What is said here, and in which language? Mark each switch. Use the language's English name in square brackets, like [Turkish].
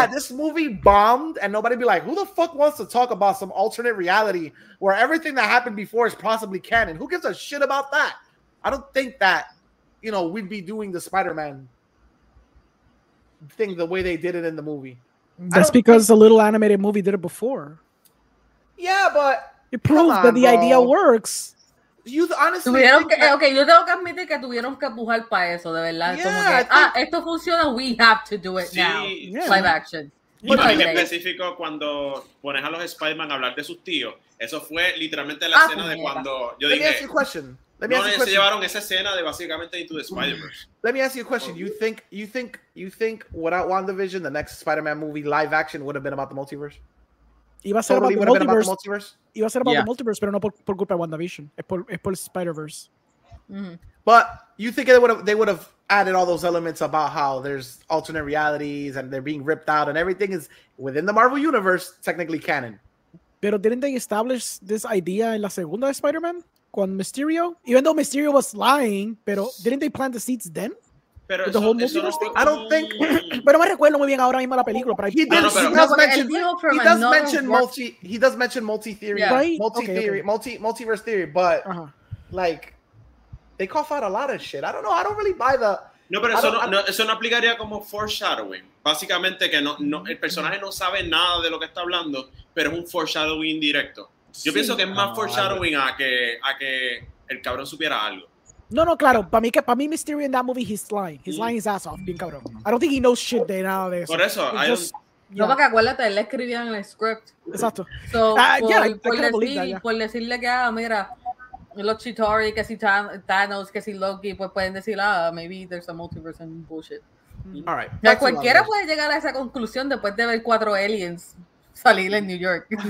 [English] Had this movie bombed and nobody be like, who the fuck wants to talk about some alternate reality where everything that happened before is possibly canon? Who gives a shit about that? I don't think that, you know, we'd be doing the Spider-Man thing the way they did it in the movie. That's because the little animated movie did it before. Yeah, but it proves that the idea works. You honestly [Spanish] okay, yo tengo que admitir que tuvieron que empujar para eso, de verdad. [English] Yeah, [Spanish] como que, esto funciona, [English] we have to do it now. Yeah. Live action. [Spanish] Y para mí específico, cuando pones a los Spider-Man a hablar de sus tíos, eso fue literalmente la escena de cuando yo dije... [English] Let me ask you a question. [Spanish] Se llevaron esa escena de básicamente Into the Spider-Verse. [English] Let me ask you a question. You think without WandaVision, the next Spider-Man movie live action would have been about the multiverse? [Spanish] Iba a ser [English] about the multiverse. [Spanish] Iba a ser about the multiverse, pero no por culpa de WandaVision. Es por Spider-Verse. [English] But you think they would have added all those elements about how there's alternate realities and they're being ripped out and everything is within the Marvel Universe, technically canon. Pero didn't they establish this idea in [Spanish] la segunda de Spider-Man? Con Mysterio? [English] Even though Mysterio was lying, pero didn't they plant the seeds then? But the whole multiverse thing? I don't think... [Spanish] Pero me recuerdo muy bien ahora mismo la película. [English] He does mention multi-theory. Yeah. Right? Multiverse theory, but like, they cough out a lot of shit. I don't know. I don't really buy the... [Spanish] No, pero eso no aplicaría como foreshadowing. Básicamente que no el personaje no sabe nada de lo que está hablando, pero es un foreshadowing indirecto. Yo pienso que es más foreshadowing a que el cabrón supiera algo. No, claro. Para mí, [English] Mysterio in that movie, he's lying. He's lying his ass off, being cabrón. I don't think he knows shit [Spanish] de nada de eso. Por eso, No, porque acuérdate, él escribía en el script. Exacto. So, por decirle que, mira, los Chitauri, que si Thanos, que si Loki, pues pueden decir, [English] maybe there's a multiverse and bullshit. All right. [Spanish] Pero cualquiera puede llegar a esa conclusión después de ver cuatro aliens salir en New York.